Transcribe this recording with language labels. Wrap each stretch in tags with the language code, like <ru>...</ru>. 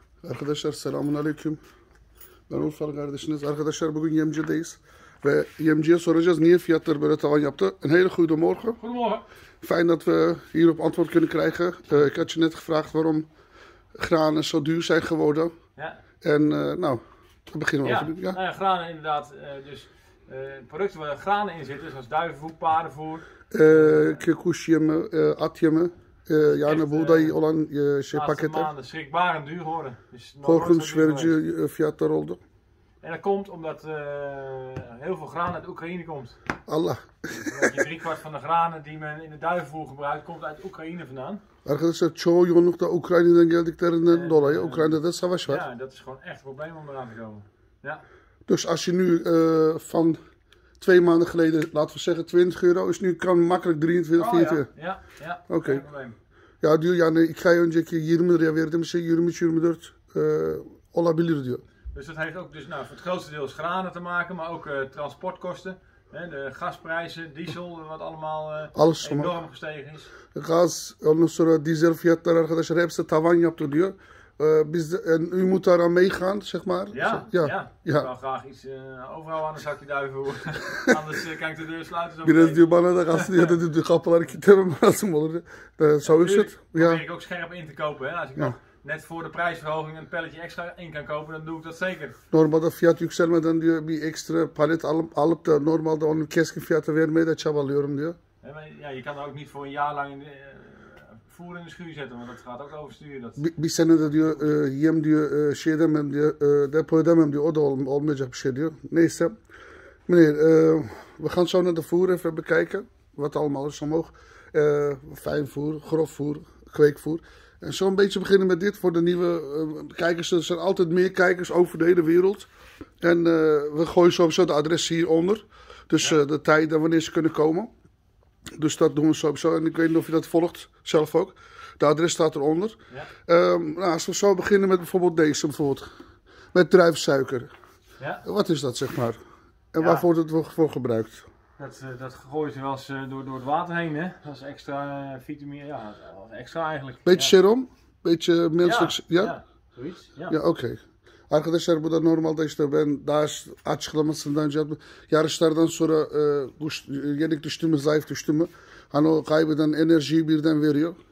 <tr>Arkadaşlar selamun aleyküm. Ben Ulfar kardeşiniz. Arkadaşlar bugün yemcideyiz. Ve yemciye soracağız niye fiyatlar böyle tavan yaptı.</tr> <nl>Een hele goede morgen. Goedemorgen. Fijn dat we hierop antwoord kunnen krijgen. Ik had je net gevraagd waarom granen zo duur zijn geworden. Ja. En nou, we beginnen ja. Over. Ja. Nou ja, granen inderdaad. Dus producten waar granen in zitten, zoals duivenvoer, paardenvoer. Kikusjemme, atjemme. Ja, naar Boudai olan şey pakketten. De maanden schrikbarend duur geworden.</nl> <tr>Korkunç verici fiyatlar oldu.</tr> <nl>En dat komt omdat heel veel graan uit Oekraïne komt.</nl> <tr>Allah.</tr> <nl>Omdat drie kwart van de granen die men in de duivenvoer gebruikt, komt uit Oekraïne vandaan.</nl> <tr>Arkadaşlar, çoğu yoğunlukta Ukrayna'dan geldiklerinden dolayı Ukrayna'da savaş var.</tr> <nl>Ja, dat is gewoon echt een probleem om eraan te komen. Ja. Dus als je nu van twee maanden geleden, laten we zeggen, 20 euro is nu kan makkelijk 23, 24. Oh, ja, ja, ja. Oké. Okay.</nl> <tr>Ja, diyor yani iki ay önceki 20 liraya verdiğim şey 23-24 olabilir diyor.</tr> <nl>Dus dat heeft ook dus, nou, voor het grootste deel is granen te maken, maar ook transportkosten. Hè, de gasprijzen, diesel, wat allemaal alles enorm zomaar gestegen is.</nl> <tr>Gaz, ondan sonra diesel fiyatları arkadaşlar hepsi tavan yaptı diyor. Biz de,</tr> <nl>en u moet daaraan meegaan, zeg maar. Ja, zo, ja, ja, ja. Ik zou graag iets overal aan een zakje duiven voor. Anders kan ik de deur sluiten.</nl> <tr>Zo biraz diyor bana da gasten,</tr> <nl>ja, dat de</nl> <tr>kapılar kitlemem lazım olur.</tr> <nl>Zo is het. Ja. Probeer ik ook scherp in te kopen. Hè. Als ik ja, net voor de prijsverhoging een palletje extra in kan kopen, dan doe ik dat zeker.</nl> <tr>Normaal de fiyat yükselmeden diyor, bir extra palet alıp da normaal de onun keskin fiyatı vermeye de çabalıyorum diyor.</tr> <nl>Ja, je kan ook niet voor een jaar lang voer in de schuur zetten, want dat gaat ook oversturen. Dat</nl> <tr>bir sene de diyor, yem diyor, şey edemem diyor, depo edemem diyor, o da olmayacak bir şey diyor. Neyse,</tr> <nl>meneer, we gaan zo naar de voer even bekijken, wat allemaal is omhoog. Fijn voer, grof voer, kweekvoer. En zo een beetje beginnen met dit voor de nieuwe kijkers. Er zijn altijd meer kijkers over de hele wereld. En we gooien sowieso de adressen hieronder. Dus ja, de tijden wanneer ze kunnen komen. Dus dat doen we sowieso. En ik weet niet of je dat volgt zelf ook. De adres staat eronder. Ja. Nou, als we zo beginnen met bijvoorbeeld deze. Bijvoorbeeld, met druifsuiker. Ja. Wat is dat zeg maar? En ja, waarvoor wordt het voor gebruikt? Dat gooit je wel eens door het water heen, hè? Dat is extra vitamine, ja, extra eigenlijk. Beetje serum? Ja. Beetje menselijk, ja, ja? Ja, zoiets, ja. Ja, oké. Okay.</nl> <tr>Arkadaşlar, bu da normalde işte ben daha açıklamasından önce yarışlardan sonra yenik düştü mü, zayıf düştü mü? Hani o kaybeden enerjiyi birden veriyor.</tr>